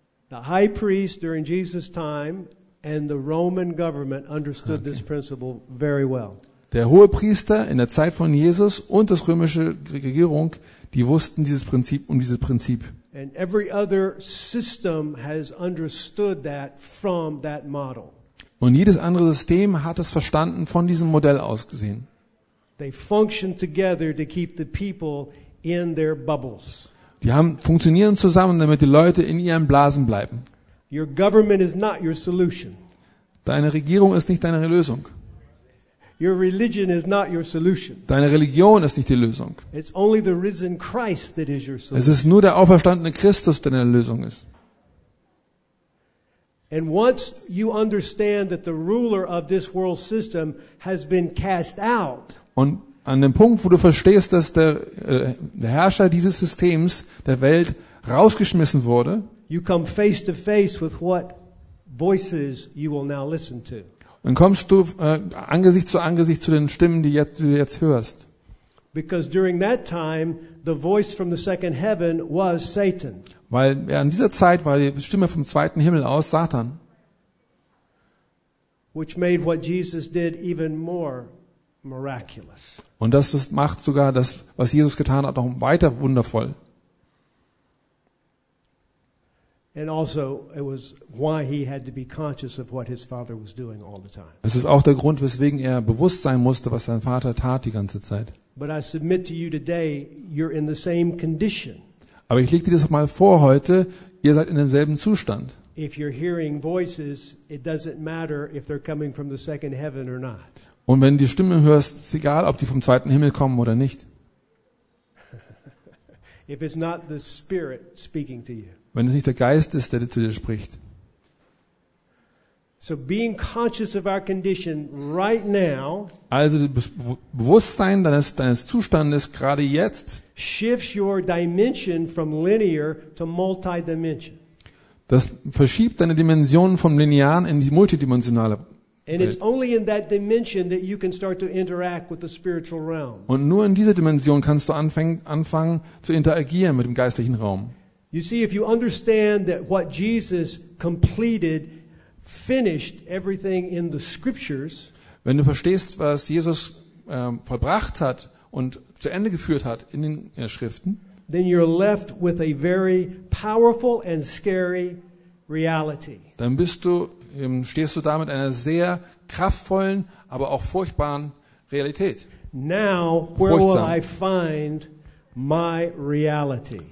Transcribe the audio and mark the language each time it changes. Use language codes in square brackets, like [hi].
[en] The high priest during Jesus' time and the Roman government understood this principle very well. [de] Der Hohepriester in der Zeit von Jesus und das römische Regierung, die wussten dieses Prinzip um dieses Prinzip. [en] And every other system has understood that from that model. [de] Und jedes andere System hat es verstanden von diesem Modell aus gesehen. [en] They function together to keep the people in their bubbles. [de] Die funktionieren zusammen, damit die Leute in ihren Blasen bleiben. [en] Your government is not your solution. [de] Deine Regierung ist nicht deine Lösung. [en] Your religion is not your solution. [de] Deine Religion ist nicht die Lösung. [en] It's only the risen Christ that is your solution. [de] Es ist nur der auferstandene Christus, der deine Lösung ist. [en] And once you understand that the ruler of this world system has been cast out. [de] Und an dem Punkt, wo du verstehst, dass der Herrscher dieses Systems der Welt rausgeschmissen wurde, [en] you come face to face with what voices you will now listen to. [de] Dann kommst du Angesicht zu Angesicht zu den Stimmen, die du jetzt hörst. [en] Because during that time, the voice from the second heaven was Satan. [de] Weil in dieser Zeit war die Stimme vom zweiten Himmel aus Satan. [en] Which made what Jesus did even more miraculous. [de] Und das macht sogar das, was Jesus getan hat, noch weiter wundervoll. [en] And also it was why he had to be conscious of what his father was doing all the time. [de] Es ist auch der Grund, weswegen er bewusst sein musste, was sein Vater tat die ganze Zeit. [en] But I submit to you today, you're in the same condition. [de] Aber ich lege dir das mal vor heute, ihr seid in demselben Zustand. [en] If you're hearing voices, it doesn't matter if they're coming from the second heaven or not. [de] Und wenn du die Stimme hörst, ist egal, ob die vom zweiten Himmel kommen oder nicht. [en] If it's not the spirit speaking to you. [de] Wenn es nicht der Geist ist, der zu dir spricht. [en] So being conscious of our condition right now, [de] also das Bewusstsein deines Zustandes gerade jetzt, [en] shifts your dimension from linear to multidimension. [de] Das verschiebt deine Dimension vom Linearen in die multidimensionale [en] And it's only in that dimension that you can start to interact with the spiritual realm. [de] Und nur in dieser Dimension kannst du anfangen zu interagieren mit dem geistlichen Raum. [en] You see, if you understand that what Jesus completed finished everything in the scriptures, [de] wenn du verstehst, was Jesus vollbracht hat und zu Ende geführt hat in den Schriften, [en] then you're left with a very powerful and scary reality. [de] Dann stehst du da mit einer sehr kraftvollen, aber auch furchtbaren Realität. [en] Now, where will I find my reality?